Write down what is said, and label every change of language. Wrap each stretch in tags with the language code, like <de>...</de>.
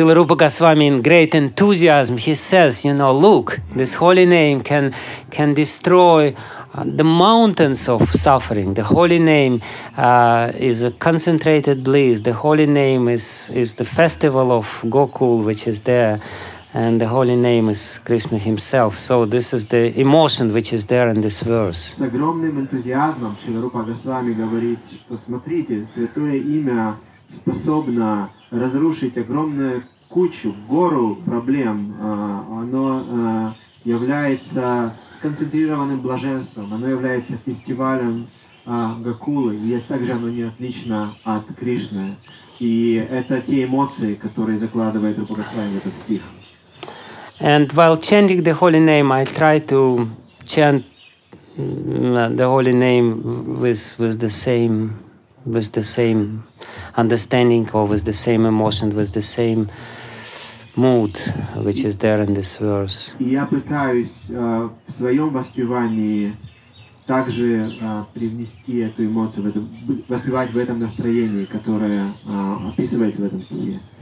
<en>Шрила Рупа Госвами in great enthusiasm, he says, you know, look, this holy name can destroy the mountains of suffering. The holy name is a concentrated bliss. The holy name is the festival of Gokul, which is there. And the holy name is Krishna himself. So this is the emotion which is there in this verse.</en> <ru>С огромным энтузиазмом Шрила Рупа Госвами говорит, что смотрите, святое имя способно разрушить огромную кучу, гору проблем. Оно является концентрированным блаженством. Оно является фестивалем Гокулы. И также оно не отлично от Кришны. И это те эмоции, которые закладывает Рупа Госвами в этот стих.</ru> <en>And while chanting the holy name, I try to chant the holy name with the same understanding or with the same emotion, with the same mood, which is there in this verse.</en> <ru>Я пытаюсь в своем воспевании также привнести эту эмоцию, воспевать в этом настроении, которое описывается в этом стихе.</ru>